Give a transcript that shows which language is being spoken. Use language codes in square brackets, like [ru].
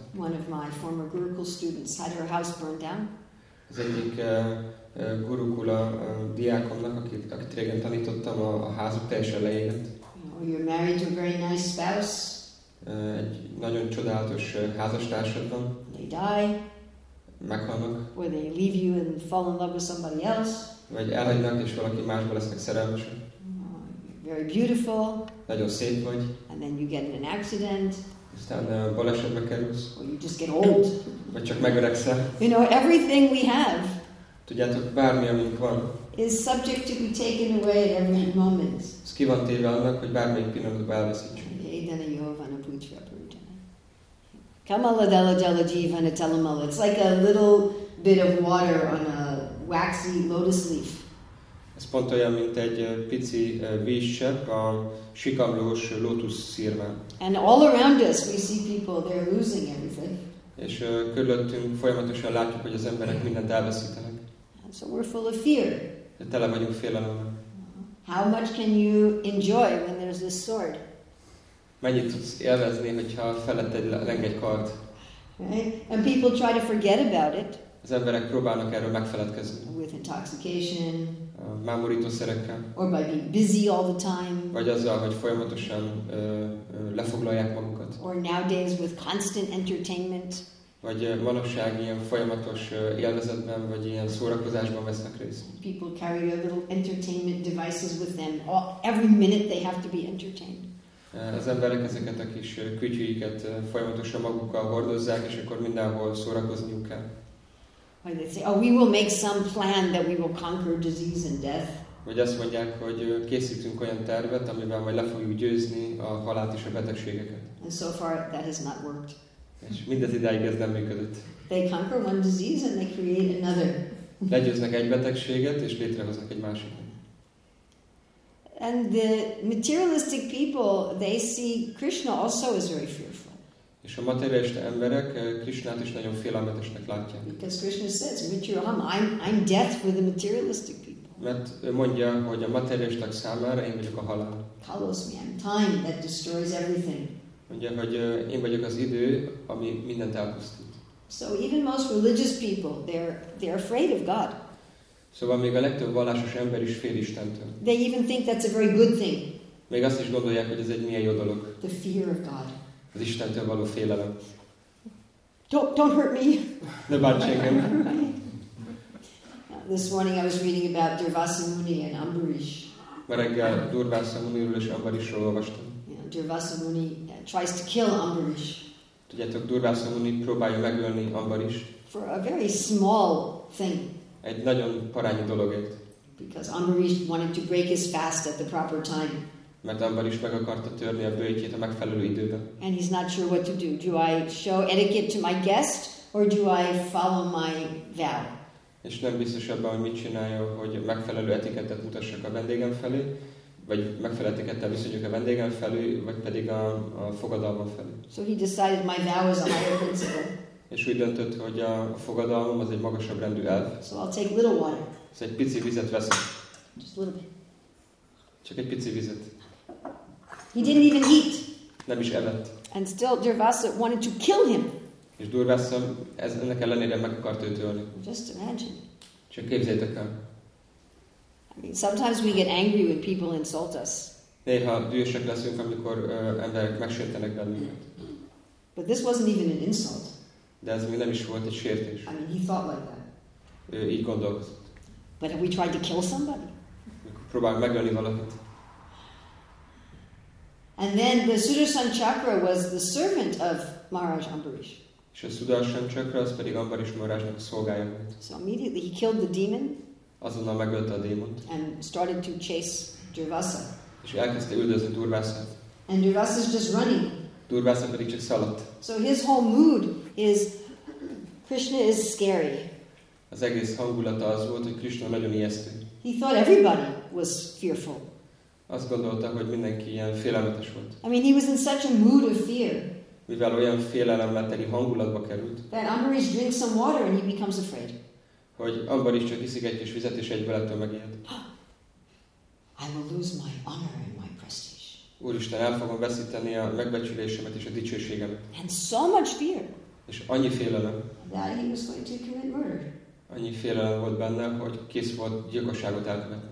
[en] One of my former Gurukul students had her house burned down. [hu] Az egyik Gurukula diákomnak, akit régen tanítottam, a házuk teljesen leégett. [en] Or you're married to a very nice spouse. [hu] Egy nagyon csodálatos házastársad van. [en] They die. [hu] Meghalnak. [en] Or they leave you and fall in love with somebody else. [hu] Vagy elhagynak, és valaki másba lesznek szerelmesek. [en] Very beautiful. [hu] Nagyon szép vagy. [en] And then you get in an accident. [hu] Aztán balesetbe kerülsz. [en] Or you just get old. [hu] Vagy csak megöregszel. [en] You know, everything we have. [hu] Tudjátok, bármi, amink van. [en] Is subject to be taken away at every moment. [hu] Ez ki van téve annak, hogy bármelyik pillanatban elveszítsünk. [sa] Edana Yovana Putra Purjana. Kamala Dala Dala Jivana Telamala. [en] It's like a little bit of water on a waxy lotus leaf. [hu] Ez pont olyan, mint egy pici vízsepp a sikamlós lotus szirmán. [en] And all around us we see people, they're losing everything. [hu] És körülöttünk folyamatosan látjuk, hogy az emberek mindent elveszítenek. [en] So we're full of fear. [hu] De tele vagyunk félelemmel. [en] How much can you enjoy when there's this sword? [hu] Mennyit tudsz élvezni, hogyha feletted leng egy kard? [en] Right? And people try to forget about it. [hu] Az emberek próbálnak erről megfeledkezni. [en] With intoxication. [hu] Mámorítószerekkel. [en] Or by being busy all the time. [hu] Vagy azzal, hogy folyamatosan lefoglalják magukat. [en] Or nowadays with constant entertainment. [hu] Vagy manapság ilyen folyamatos élvezetben, vagy ilyen szórakozásban vesznek részt. [en] People carry their little entertainment devices with them. All, every minute they have to be entertained. [hu] Az emberek ezeket a kis kütyűiket folyamatosan magukkal hordozzák, és akkor mindenhol szórakozniuk kell. [en] Or they say, oh, we will make some plan that we will conquer disease and death. [hu] Vagy azt mondják, hogy készítünk olyan tervet, amivel majd le fogjuk győzni a halált és a betegségeket. [en] And so far that has not worked. [hu] És mindez idáig ez nem működött. [en] They conquer one disease and they create another. [hu] Legyőznek egy betegséget, és létrehoznak egy másikat. [en] And the materialistic people, they see Krishna also as very fearful. [hu] És a materialista emberek Krishnát is nagyon félelmetesnek látják. [en] Because Krishna says, Mithuram, I'm death for the materialistic people. [hu] Mert ő mondja, hogy a materialisták számára én vagyok a halál. [en] Kalosmi, I'm time that destroys everything. [hu] Mondja, hogy én vagyok az idő, ami mindent elpusztít. [en] So even most religious people, they're afraid of God. [hu] Szóval még a legtöbb vallásos ember is fél Istentől. [en] They even think that's a very good thing. [hu] Még azt is gondolják, hogy ez egy milyen jó dolog. [en] The fear of God. [hu] Az Istentől való félelem. [en] Don't hurt me. [hu] Ne bántsd engem. [en] This morning I was reading about Durvasa Muni and Ambarish. [hu] Ma reggel Durvasa Muniról és Ambarishról olvastam. [en] Durvasa Muni tries to kill Ambarish. [hu] Tudjátok, Durvasa Muni próbálja megölni Ambarisht. [en] For a very small thing. [hu] Egy nagyon parányi dologért. [en] Because Ambarish wanted to break his fast at the proper time. [hu] Mert Ambarish meg akarta törni a bőjtjét a megfelelő időben. [en] And he's not sure what to do. Do I show etiquette to my guest or do I follow my vow? [hu] És nem biztos abban, hogy mit csinálja, hogy megfelelő etikettet mutassak a vendégem felé, vagy megfelelő etikettel viszonyuk a vendégem felé, vagy pedig a fogadalmam felé. [en] So he decided my vow is a higher principle. [hu] És úgy döntött, hogy a fogadalmam az egy magasabb rendű elv. [en] So I'll take little water. [hu] És egy pici vizet veszek. [en] Just a little bit. [hu] Csak egy pici vizet. [en] He didn't even eat. [hu] Nem is evett. [en] And still Durvasa wanted to kill him. [hu] És Durvasa ennek ellenére meg akart őt ölni. [en] Just imagine. [hu] Csak képzeljétek el. [en] I mean, sometimes we get angry when people insult us. [hu] Néha dühösek leszünk, amikor emberek megsértenek bennünket. [en] But this wasn't even an insult. [hu] De ez még nem is volt egy sértés. [en] I mean, he thought like that. [hu] Ő így gondolkozott. [en] But have we tried to kill somebody? [hu] Próbáljuk megölni valakit. [en] And then the Sudarshan Chakra was the servant of Maharaj Ambarish. [hu] És a Sudarshan Chakra az pedig Ambarish Maharajnak a szolgája volt. [en] So immediately he killed the demon. [hu] Azonnal megölte a démont. [en] And started to chase Durvasa. [hu] És elkezdte üldözni Durvasát. [en] And Durvasa is just running. [hu] Durvasa pedig csak szaladt. [en] So his whole mood is Krishna is scary. [hu] Az egész hangulata az volt, hogy Krishna nagyon ijesztő. [en] He thought everybody was fearful. [hu] Azt gondolta, hogy mindenki ilyen félelmetes volt. [en] I mean, he was in such a mood of fear. [hu] Mivel olyan félelemmeteli hangulatba került. [en] That Ambarish drinks some water and he becomes afraid. [hu] Hogy Ambarish csak iszik egy kis vizet és egyből ettől megijed. [en] I will lose my honor and my prestige. [hu] Úristen, el fogom veszíteni a megbecsülésemet és a dicsőségemet. [en] And so much fear. [hu] És annyi félelem. [en] That he was going to commit murder. [hu] Annyi félelem volt benne, hogy kész volt gyilkosságot elkövetni.